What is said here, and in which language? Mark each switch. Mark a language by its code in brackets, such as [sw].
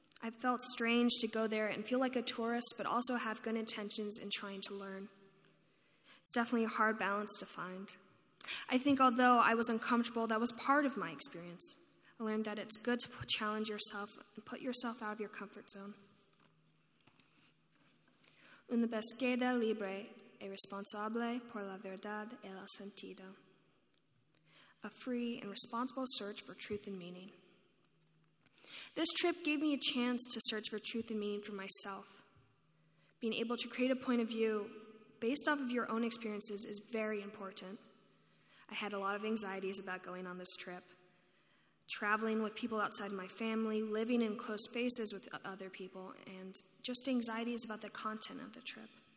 [en] I felt strange to go there and feel like a tourist, but also have good intentions in trying to learn. It's definitely a hard balance to find. I think although I was uncomfortable, that was part of my experience. I learned that it's good to challenge yourself and put yourself out of your comfort zone. [es] Una búsqueda libre y responsable por la verdad y el sentido. [en] A free and responsible search for truth and meaning. This trip gave me a chance to search for truth and meaning for myself. Being able to create a point of view based off of your own experiences is very important. I had a lot of anxieties about going on this trip. Traveling with people outside my family, living in close spaces with other people, and just anxieties about the content of the trip.